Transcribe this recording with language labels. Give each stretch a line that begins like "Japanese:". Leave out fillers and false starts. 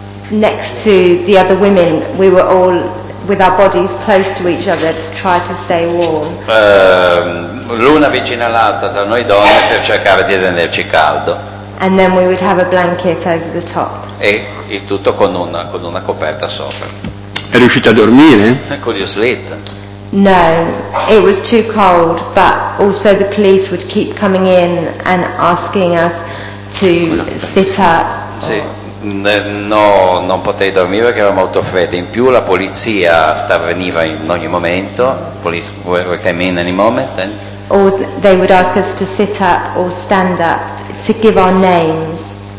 English: Next to the other women, we were all with our bodies close to each other to try to stay warm.
Italian: L'una vicina all'altra tra noi donne per cercare di tenerci caldo.
English: And then we would have a blanket over the top.
Italian: E il tutto con una coperta sopra. È riuscita a dormire?
English: Could you sleep? No, it was too cold, but also the police would keep coming in and asking us to sit up.
Italian: Sì. No, non potei dormire perché era molto freddo. In più la polizia veniva in ogni momento.
English: Police came in any moment. And or they would ask us to sit up or stand up to give our names.